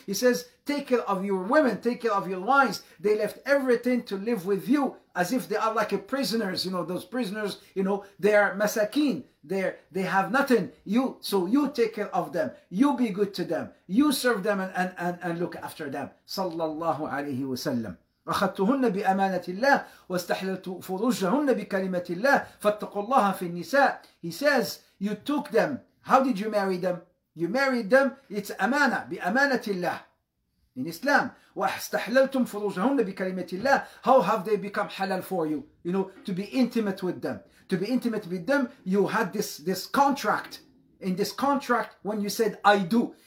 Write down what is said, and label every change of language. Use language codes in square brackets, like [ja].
[en] He says, take care of your women, take care of your wives. They left everything to live with you as if they are like a prisoners. You know, those prisoners, you know, they are masakin. They have nothing. So you take care of them. You be good to them. You serve them and look after them. Sallallahu alayhi wa sallam. [ar] أخذتهن بأمانة الله واستحللت فروجهن بكلمة الله فاتقوا الله في النساء. [en] He says, you took them. How did you marry them? You married them. It's أمانة. [ar] بأمانة الله. [en] In Islam. [ar] واستحللتم فروجهن بكلمة الله. [en] How have they become halal for you? You know, to be intimate with them. To be intimate with them, you had this contract. In this contract, when you said, I do.